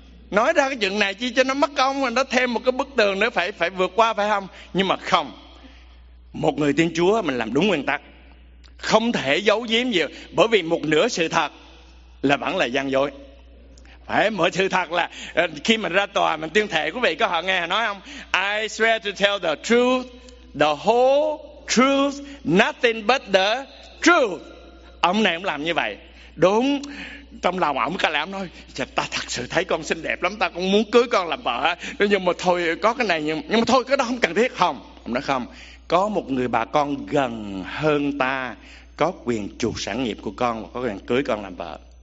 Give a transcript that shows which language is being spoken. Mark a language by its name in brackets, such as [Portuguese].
[Vietnamese] nói ra cái chuyện này chi cho nó mất công, mà nó thêm một cái bức tường nữa phải vượt qua phải không? Nhưng mà không, một người tin Chúa mình làm đúng nguyên tắc, không thể giấu giếm gì, bởi vì một nửa sự thật là vẫn là gian dối. Phải, mọi sự thật là khi mình ra tòa mình tuyên thệ, quý vị có họ nghe nói không? [English] I swear to tell the truth, the whole truth, nothing but the truth. [Vietnamese] Ông này cũng làm như vậy, đúng. Trong lòng ổng có lẽ ổng nói, ta thật sự thấy con xinh đẹp lắm, ta cũng muốn cưới con làm vợ, nhưng mà thôi có cái này, nhưng mà thôi cái đó không cần thiết. Không, ông nói không, có một người bà con gần hơn ta có quyền chuộc sản nghiệp của con và có quyền cưới con làm vợ.